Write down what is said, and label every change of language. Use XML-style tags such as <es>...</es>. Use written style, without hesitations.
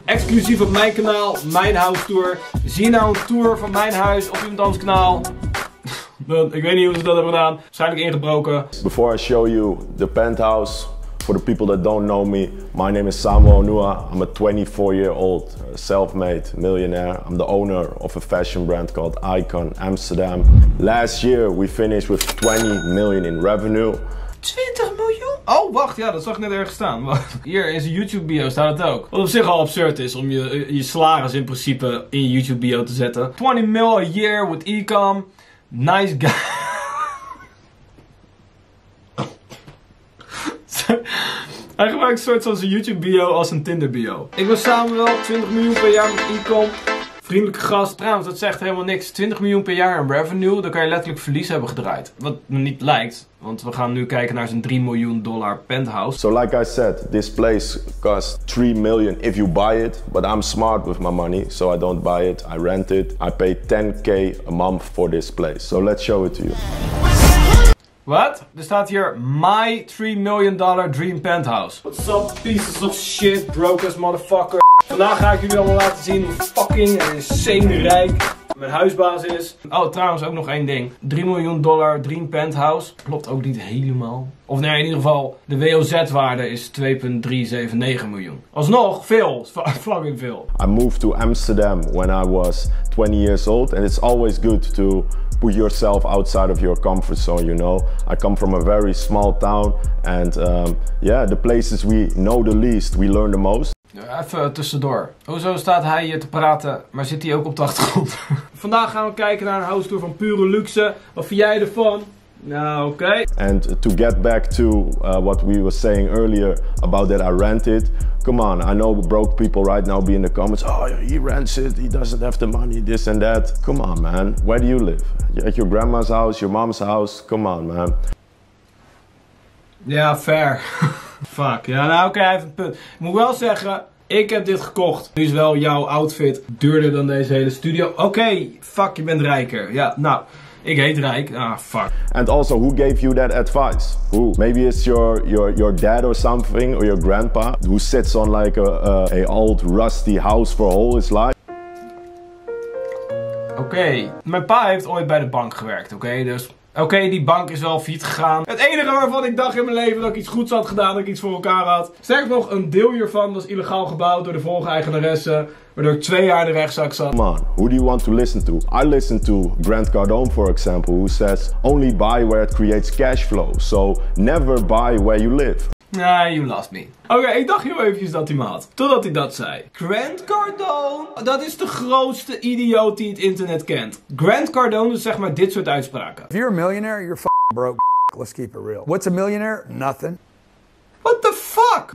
<nl>Exclusief op mijn kanaal, mijn house tour. Zie je nou een tour van mijn huis op iemand anders kanaal? Ik weet niet hoe ze dat hebben gedaan. Waarschijnlijk ingebroken.</nl> <en>Before I show you the penthouse, for the people that don't know me, my name is Samuel Onuha. I'm a 24-year-old self-made millionaire. I'm the owner of a fashion brand called Icon Amsterdam. Last year, we finished with 20 million in revenue.</en> <nl>20 miljoen? Oh, wacht, ja, dat zag ik net ergens staan. Hier in zijn YouTube bio staat het ook. Wat op zich al absurd is om je salaris in principe in je YouTube bio te zetten.</nl> <en>20 mil a year with Icon. Nice guy.</en> <nl>Hij gebruikt een soort van zijn YouTube bio als een Tinder bio. Ik ben Samuel, 20 miljoen per jaar met Icon. Vriendelijke gast. Trouwens, dat zegt helemaal niks. 20 miljoen per jaar in revenue, dan kan je letterlijk verlies hebben gedraaid. Wat me niet lijkt, want we gaan nu kijken naar zijn $3 million penthouse.</nl> <en>So like I said, this place costs 3 million if you buy it. But I'm smart with my money, so I don't buy it. I rent it. I pay 10k a month for this place. So let's show it to you.</en> <nl>Wat? Er staat hier</nl> <en>my $3 million dream penthouse. What's up, pieces of shit, broke ass motherfucker.</en> <nl>Vandaag ga ik jullie allemaal laten zien hoe</nl> <en>fucking insane</en> <nl>rijk mijn huisbaas is. Oh, trouwens ook nog één ding.</nl> <en>$3 million dream penthouse.</en> <nl>Klopt ook niet helemaal. Of nee, in ieder geval, de WOZ-waarde is 2,379 miljoen. Alsnog, veel. Fucking veel.</nl> <en>I moved to Amsterdam when I was 20 years old. And it's always good to put yourself outside of your comfort zone, you know. I come from a very small town. And yeah, the places we know the least, we learn the most.</en> <nl>Even tussendoor. Hoezo staat hij hier te praten, maar zit hij ook op de achtergrond? Vandaag gaan we kijken naar een house tour van pure luxe. Wat vind jij ervan? Nou, oké. Okay.</nl> <en>And to get back to what we were saying earlier about that I rented. Come on, I know broke people right now be in the comments. Oh, he rents it, he doesn't have the money, this and that. Come on, man. Where do you live? At your grandma's house, your mom's house? Come on, man.</en> <nl>Ja, fair. Fuck. Ja, nou oké, even een punt. Ik moet wel zeggen, ik heb dit gekocht. Nu is wel jouw outfit duurder dan deze hele studio. Oké, fuck, je bent rijker. Ja, nou, ik heet rijk. Ah, fuck.</nl> <en>And also, who gave you that advice? Who? Maybe it's your dad or something, or your grandpa, who sits on like a old rusty house for all his life.</en> <nl>Oké, mijn pa heeft ooit bij de bank gewerkt, oké, dus... Oké, die bank is wel failliet gegaan. Het enige waarvan ik dacht in mijn leven dat ik iets goeds had gedaan, dat ik iets voor elkaar had. Sterker nog, een deel hiervan was illegaal gebouwd door de vorige eigenaresse, waardoor ik 2 jaar in de rechtszaak zat.</nl> <en>Come on, who do you want to listen to? I listen to Grant Cardone, for example, who says, only buy where it creates cash flow, so never buy where you live. Nah, you lost me.</en> <nl>Oké, ik dacht heel eventjes dat hij me had. Totdat hij dat zei. Grant Cardone, dat is de grootste idioot die het internet kent. Grant Cardone doet zeg maar dit soort uitspraken.</nl> <en>If you're a millionaire, you're f***ing broke. Let's keep it real. What's a millionaire? Nothing. What the fuck?</en>